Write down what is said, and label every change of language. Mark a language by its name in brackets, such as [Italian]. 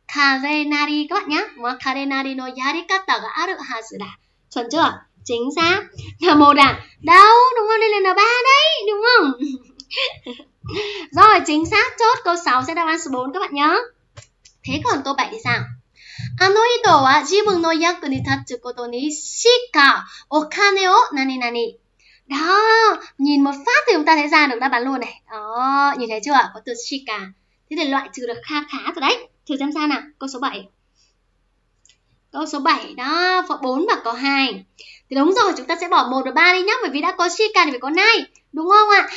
[Vietnamese] Karenari các bạn nhá, mà [Japanese] Karenari no yarikata ga aru hazu da, [Vietnamese] chuẩn chưa? Chính xác là một à, đâu đúng không? Đây là N3 đấy, đúng không? Rồi chính xác, chốt câu 6 sẽ đáp án số 4 các bạn nhé. Thế còn câu 7 thì sao? [Japanese] あの人は自分の役に立つことにしかお金を何々。 [Vietnamese] Đó, nhìn một phát thì chúng ta thấy ra được đáp án luôn này. Đó, nhìn thấy chưa? Có từ shika. Thế thì loại trừ được kha khá rồi đấy. Thử xem sao nào, câu số 7. Câu số 7 đó, có 4 và có 2. Thì đúng rồi, chúng ta sẽ bỏ 1 và 3 đi nhá, bởi vì đã có shika thì phải có nai, đúng không ạ?